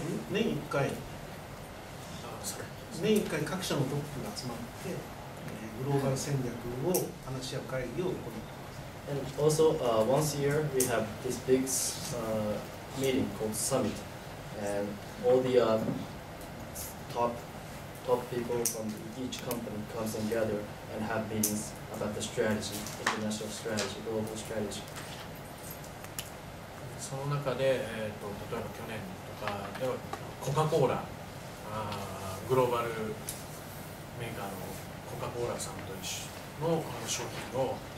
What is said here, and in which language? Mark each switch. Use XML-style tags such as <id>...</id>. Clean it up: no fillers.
<ja>年1回、年1回各社のトップが集まって、グローバル戦略を話し合う会議を行っています</ja> <en>And also, once a year, we have this big meeting called Summit. And all the top people from each company come together and have meetings about the strategy, international strategy, global strategy.</en> <ja>その中で、例えば去年とかでは、コカ・コーラ、グローバルメーカーのコカ・コーラさんと一緒の、この商品を、</ja>